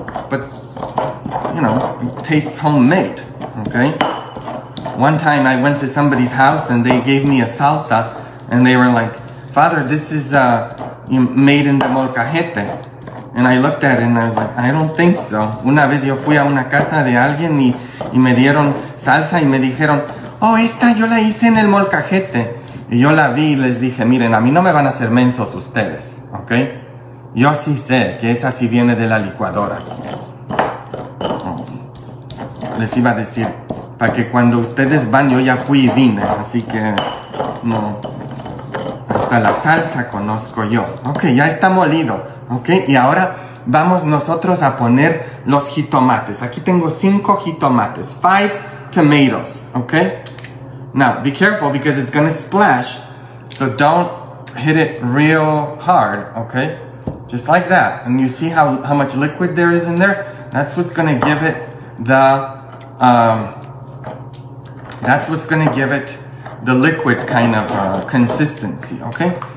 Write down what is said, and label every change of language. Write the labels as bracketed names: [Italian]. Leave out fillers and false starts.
[English] But, you know, it tastes homemade. Okay. One time I went to somebody's house and they gave me a salsa and they were like, Father, this is made in the molcajete. And I looked at it and I was like, I don't think so. [Spanish] Una vez yo fui a una casa de alguien y me dieron salsa y me dijeron, oh, esta yo la hice en el molcajete. Y yo la vi y les dije, miren, a mí no me van a hacer mensos ustedes, okay? Yo sí sé que esa sí viene de la licuadora. Les iba a decir, para que cuando ustedes van, yo ya fui y vine, así que, no, hasta la salsa conozco yo. Ok, ya está molido, ok, y ahora vamos nosotros a poner los jitomates. Aquí tengo 5 jitomates, [English] 5 tomatoes, [Spanish] ok. [English] Now, be careful because it's gonna splash, so don't hit it real hard, ok. Just like that, and you see how much liquid there is in there? That's what's gonna give it the... that's what's gonna give it the liquid kind of consistency, okay?